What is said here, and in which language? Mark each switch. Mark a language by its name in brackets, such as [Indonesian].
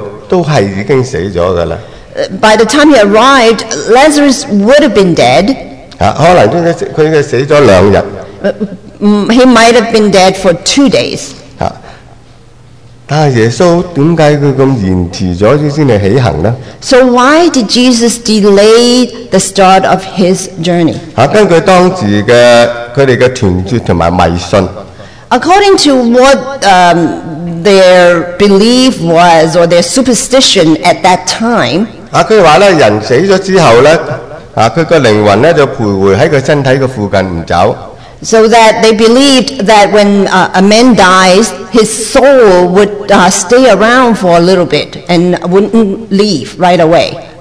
[Chinese] 他来到那时拉撒路都是已经死了。 [English] By the time he arrived, Lazarus would have been dead. [Chinese] 可能他死了两天。 [English] He might have been dead for 2 days. [Chinese] 但耶稣为什么他这么延迟了才来起行呢? [English] So why did Jesus delay the start of his journey? [Chinese] 根据当时的他们的团结和迷信。 [English] According to what their belief was or their superstition at that time, [Chinese] 他说人死了之后呢, 他的灵魂就徘徊在他身体的附近不走。 [English] So that they believed that when a man dies, his soul would stay around for a little bit and wouldn't leave right away.